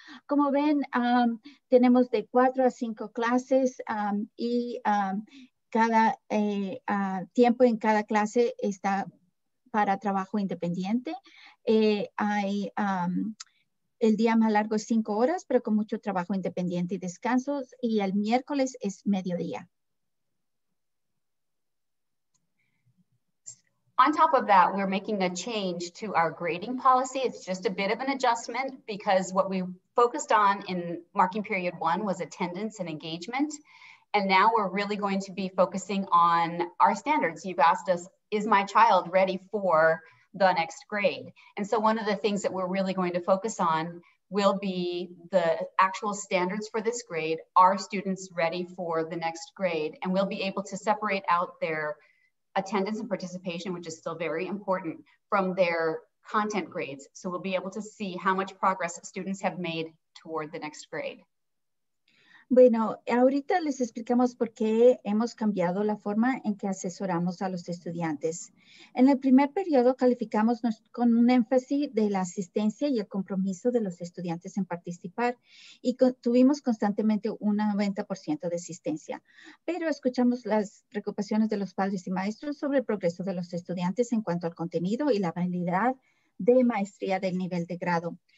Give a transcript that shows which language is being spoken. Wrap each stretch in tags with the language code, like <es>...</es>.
<es>Como ven, tenemos de 4 a 5 clases y cada tiempo en cada clase está para trabajo independiente. Hay el día más largo es 5 horas, pero con mucho trabajo independiente y descansos, y el miércoles es mediodía.</es> <en>On top of that, we're making a change to our grading policy. It's just a bit of an adjustment because what we focused on in marking period 1 was attendance and engagement. And now we're really going to be focusing on our standards. You've asked us, is my child ready for the next grade? And so one of the things that we're really going to focus on will be the actual standards for this grade. Are students ready for the next grade? And we'll be able to separate out their attendance and participation, which is still very important, from their content grades. So we'll be able to see how much progress students have made toward the next grade.</en> <es>Bueno, ahorita les explicamos por qué hemos cambiado la forma en que asesoramos a los estudiantes. En el primer periodo calificamos con un énfasis de la asistencia y el compromiso de los estudiantes en participar y tuvimos constantemente un 90% de asistencia, pero escuchamos las preocupaciones de los padres y maestros sobre el progreso de los estudiantes en cuanto al contenido y la habilidad de maestría del nivel de grado.</es>